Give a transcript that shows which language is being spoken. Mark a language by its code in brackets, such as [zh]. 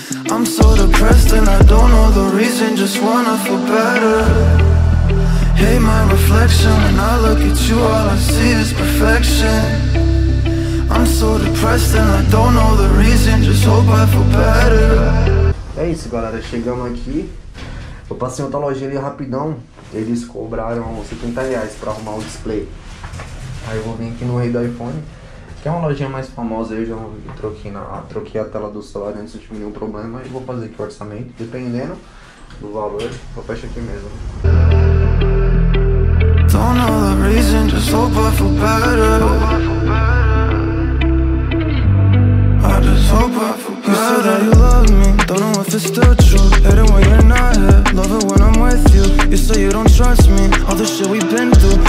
[en] I'm so depressed and I don't know the reason, just wanna feel better. Hate my reflection, when I look at you all I see is perfection. I'm so depressed and I don't know the reason, just hope I feel better. [pt] É isso galera, chegamos aqui. Eu passei em outra loja ali rapidão. Eles cobraram R$70 pra arrumar o display. Aí eu vou vir aqui no rei do iPhone, que é uma lojinha mais famosa. Eu já troquei a tela do celular antes, não tive nenhum problema. E vou fazer aqui o orçamento, dependendo do valor, eu fecho aqui mesmo. [en] Don't know the reason, just hope I feel better. I just hope I feel better. You said that you love me, don't know if it's still true. Hate it when you're not here, love it when I'm with you. You say you don't trust me, all the shit we've been through.